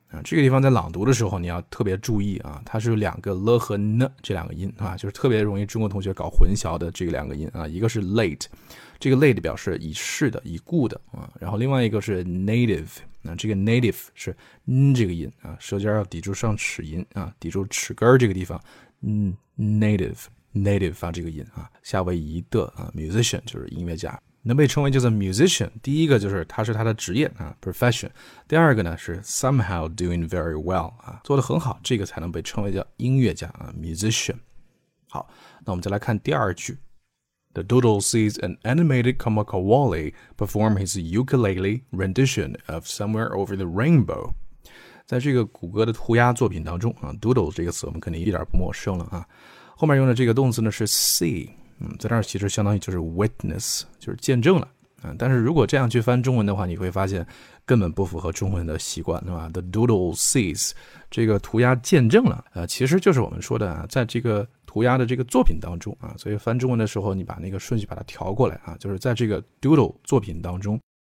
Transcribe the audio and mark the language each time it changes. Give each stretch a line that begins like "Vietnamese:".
Chinese: 这个地方在朗读的时候你要特别注意啊，它是两个 l 和 n 这两个音啊，就是特别容易中国同学搞混淆的这个两个音啊，一个是 late, 这个 late 表示已逝的已故的啊，然后另外一个是 native, 那、啊、这个 native 是 n 这个音啊，舌尖要抵住上齿音啊，抵住齿根这个地方 native 发这个音啊，夏威夷的啊 musician 就是音乐家。能被称为就是 musician, 第一个就是他是他的职业啊 profession, 第二个呢是
English: somehow doing very well,
Chinese: 啊做得很好，这个才能被称为叫音乐家啊 musician。好，那我们再来看第二句。
English: The doodle sees an animated Kamakawali perform his ukulele rendition of Somewhere Over the Rainbow.
Chinese: 在这个谷歌的涂鸦作品当中啊 ,doodle 这个词我们肯定一点不陌生了啊。后面用的这个动词呢是 see。在那儿其实相当于就是 witness, 就是见证了、但是如果这样去翻中文的话，你会发现根本不符合中文的习惯，对吧 ？
English: The doodle sees
Chinese: 这个涂鸦见证了、其实就是我们说的、在这个涂鸦的这个作品当中、所以翻中文的时候，你把那个顺序把它调过来、就是在这个 doodle 作品当中、